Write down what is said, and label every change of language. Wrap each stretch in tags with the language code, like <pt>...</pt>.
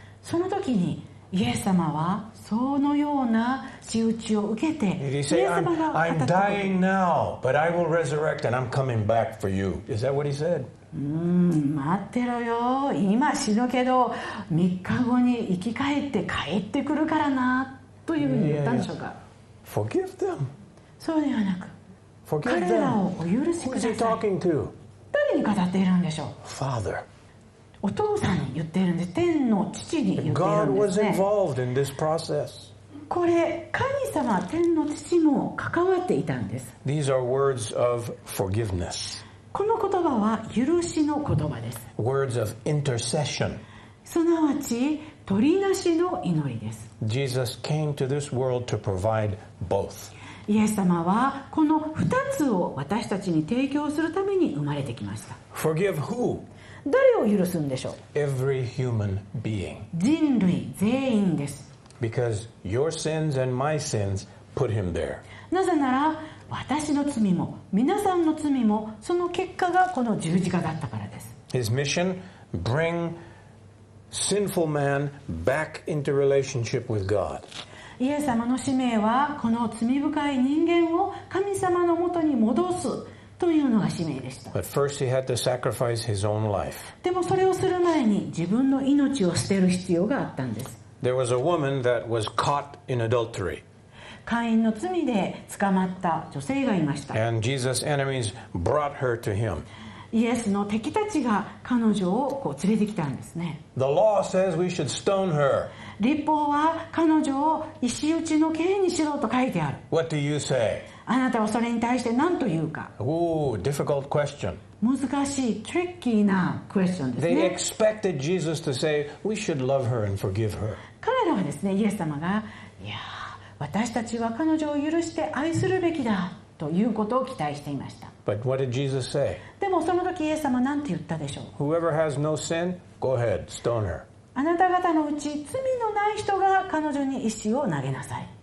<ja>その時にイエス様はそのような仕打ちを受けて、</ja> <en>Did he say, I'm dying now, but I will resurrect and I'm coming back for you. Is that what he said?</en> <ja>待ってろよ、今死ぬけど3日後に生き返って帰ってくるからな、というふうに言ったんでしょうか。</ja> <en>Forgive them.</en> <ja>そうではなく、</ja> <en>Forgive them.</en> <ja>彼らをお許しください。</ja> <en>Who is he talking to?</en> <ja>誰に語っているんでしょう。</ja> <en>Father.</en> <ja>お父さんに言ってるんです。天の父に言ってるんですね。</ja> <en>God was involved in this process.</en> <ja>これ神様、天の父も関わっていたんです。</ja> <en>These are words of forgiveness.</en> <ja>この言葉は許しの言葉です。</ja> <en>Words of intercession.</en> <ja>すなわち取りなしの祈りです。</ja> <en>Jesus came to this world to provide both.</en> <ja>イエス様はこの二つを私たちに提供するために生まれてきました。</ja> <en>Forgive who?</en> <ja>誰を許すんでしょう。</ja> <en>Every human being.</en> <ja>人類全員です。</ja> <en>Because your sins and my sins put him there.</en> <ja>なぜなら私の罪も皆さんの罪もその結果がこの十字架だったからです。</ja> <en>His mission: bring sinful man back into relationship with God.</en> <ja>イエス様の使命はこの罪深い人間を神様のもとに戻すというのが使命でした。</ja> <en>But first he had to sacrifice his own life.</en> <ja>でもそれをする前に自分の命を捨てる必要があったんです。</ja> <en>There was a woman that was caught in adultery.</en> <ja>姦淫の罪で捕まった女性がいました。</ja> <en>And Jesus' enemies brought her to him.</en> <ja>イエスの敵たちが彼女をこう連れてきたんですね。</ja> <en>The law says we should stone her.</en> <ja>律法は彼女を石打ちの刑にしろと書いてある。</ja> <en>What do you say?</en> <ja>あなたはそれに対して何と言うか。</ja> <en>Oh, difficult question.</en> <ja>難しい、tricky なクエスチョンですね。</ja> <en>They expected Jesus to say, we should love her and forgive her.</en> <ja>彼らはですね、イエス様が、いや、私たちは彼女を許して愛するべきだということを期待していました。</ja> <en>But what did Jesus say?</en> <ja>でもその時イエス様何て言ったでしょう。</ja> <en>Whoever has no sin, go ahead, stone her.</en> <ja>あなた方のうち罪のない人が彼女に石を投げなさい。</ja>